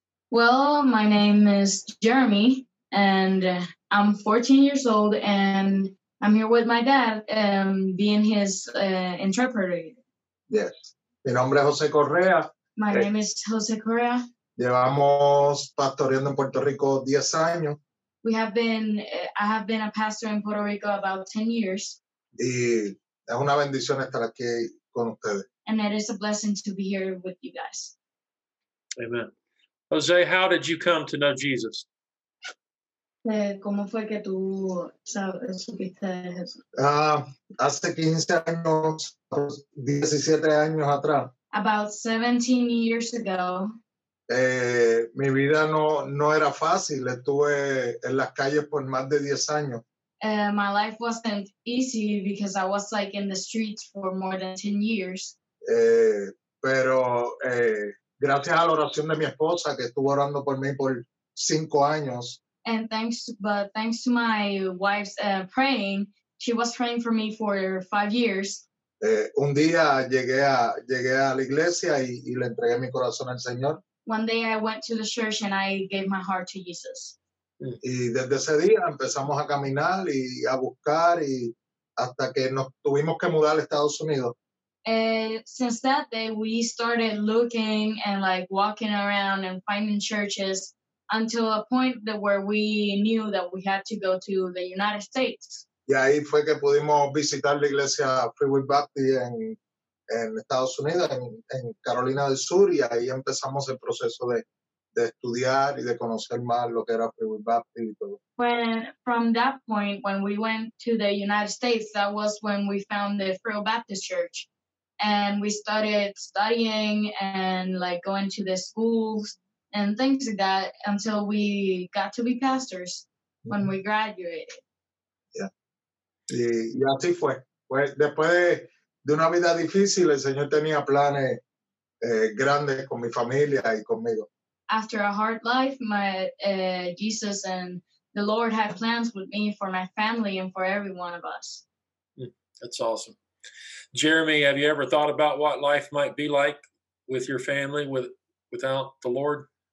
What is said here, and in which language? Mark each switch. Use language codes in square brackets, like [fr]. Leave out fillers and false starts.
[en] Well, my name is Jeremy, and I'm 14 years old, and I'm here with my dad, being his interpreter. [es] Yes. Mi nombre es José Correa. [en] My name is José Correa. [es] Llevamos pastoreando en Puerto Rico 10 años. [en] We have been, I have been a pastor in Puerto Rico about 10 years. [es] Y es una bendición estar aquí con ustedes. [en] And it is a blessing to be here with you guys. Amen. Jose, how did you come to know Jesus? [es] ¿Cómo fue que tú supiste eso? Hace 15 años, 17 años atrás. [en] About 17 years ago. [es] Mi vida no era fácil. Estuve en las calles por más de 10 años. [en] My life wasn't easy because I was like in the streets for more than 10 years. [es] Pero gracias a la oración de mi esposa que estuvo orando por mí por 5 años. [en] And thanks to my wife's praying, she was praying for me for 5 years. [es] Un día llegué a la iglesia y le entregué mi corazón al Señor. [en] One day I went to the church and I gave my heart to Jesus. [es] Y desde ese día empezamos a caminar y a buscar y hasta que nos tuvimos que mudar a Estados Unidos. [en] Since that day, we started looking and like walking around and finding churches until a point that where we knew that we had to go to the United States. [es] Y ahí fue que pudimos visitar la iglesia Free Will Baptist en Estados Unidos, en Carolina del Sur, y ahí empezamos el proceso de estudiar y de conocer más lo que era Free Will Baptist y todo. [en] From that point, when we went to the United States, that was when we found the Free Will Baptist Church. And we started studying and like going to the schools and things like that until we got to be pastors mm-hmm. when we graduated. [es] Yeah. Y así fue. Pues después de una vida difícil, el Señor tenía planes grandes con mi familia y conmigo. [en] After a hard life, Jesus and the Lord had plans with me for my family and for every one of us. That's awesome. Jeremy, have you ever thought about what life might be like with your family without the Lord?